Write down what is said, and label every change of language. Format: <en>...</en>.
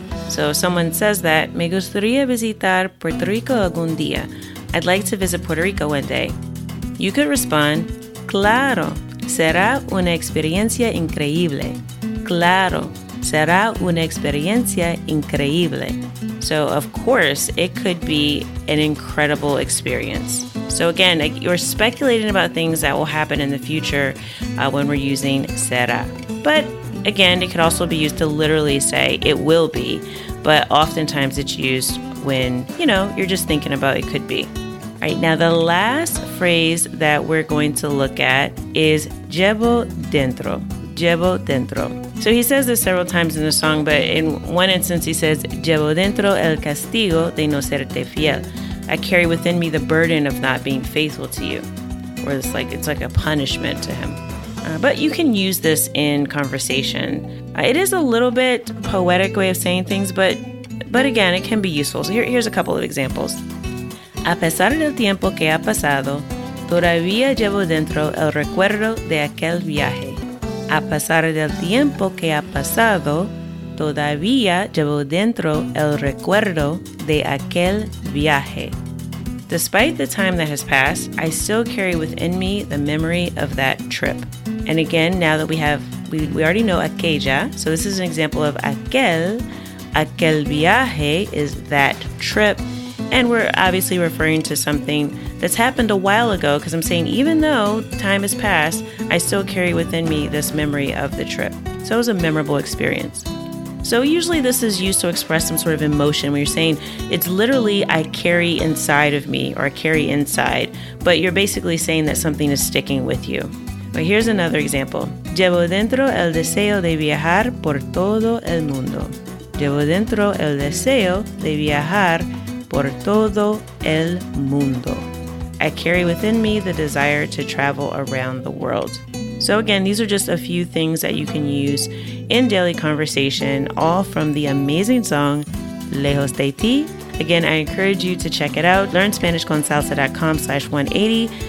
<en>So someone says that,</en> <es>me gustaría visitar Puerto Rico algún día.</es> <en>I'd like to visit Puerto Rico one day. You could respond,</en> <es>claro, será una experiencia increíble. Claro, será una experiencia increíble.</es> <en>So of course, it could be an incredible experience. So again, you're speculating about things that will happen in the future when we're using será. But again, it could also be used to literally say it will be, but oftentimes it's used when, you know, you're just thinking about it could be. All right, now the last phrase that we're going to look at is llevo dentro, llevo dentro. So he says this several times in the song, but in one instance he says,</en> <es>llevo dentro el castigo de no serte fiel.</es> <en>I carry within me the burden of not being faithful to you. Or it's like a punishment to him. But you can use this in conversation. It is a little bit poetic way of saying things, but again, it can be useful. So here's a couple of examples.</en> <es>A pesar del tiempo que ha pasado, todavía llevo dentro el recuerdo de aquel viaje. A pesar del tiempo que ha pasado, todavía llevo dentro el recuerdo de aquel viaje.</es> <en>Despite the time that has passed, I still carry within me the memory of that trip. And again, now that we already know aquella, so this is an example of aquel viaje is that trip. And we're obviously referring to something that's happened a while ago, because I'm saying, even though time has passed, I still carry within me this memory of the trip. So it was a memorable experience. So usually this is used to express some sort of emotion where you're saying, it's literally, I carry inside of me, or I carry inside, but you're basically saying that something is sticking with you. But here's another example.</en> <es>Llevo dentro el deseo de viajar por todo el mundo. Llevo dentro el deseo de viajar por todo el mundo.</es> <en>I carry within me the desire to travel around the world. So again, these are just a few things that you can use in daily conversation, all from the amazing song, Lejos de Ti. Again, I encourage you to check it out. LearnSpanishConSalsa.com/180.</en>